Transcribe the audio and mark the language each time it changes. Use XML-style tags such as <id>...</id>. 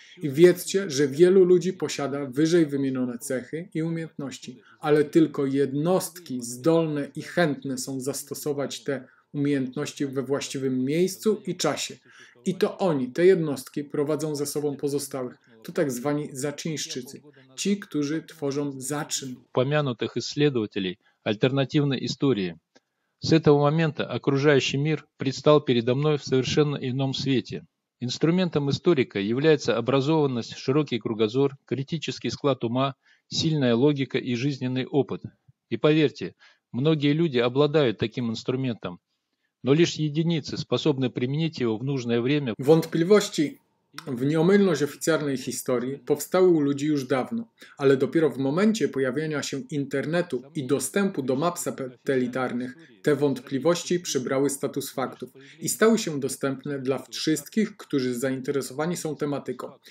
<pl>I wiedzcie, że wielu ludzi posiada wyżej wymienione cechy i umiejętności, ale tylko jednostki zdolne i chętne są zastosować te umiejętności we właściwym miejscu i czasie. I to oni, te jednostki, prowadzą za sobą pozostałych. To tak zwani zaczyńszczycy, ci, którzy tworzą zaczyn. Wspomnianych badaczy alternatywnej historii. Z tego momentu</pl> <ru>okружающий мир предстал передо мной в совершенно ином свете. Инструментом историка является образованность, широкий кругозор, критический склад ума, сильная логика и жизненный опыт. И поверьте, многие люди обладают таким инструментом, но лишь единицы способны применить его в нужное время.</ru> <pl>Wątpliwości w nieomylność oficjalnej historii powstały u ludzi już dawno, ale dopiero w momencie pojawienia się internetu i dostępu do map satelitarnych te wątpliwości przybrały status faktów i stały się dostępne dla wszystkich, którzy zainteresowani są tematyką.</pl>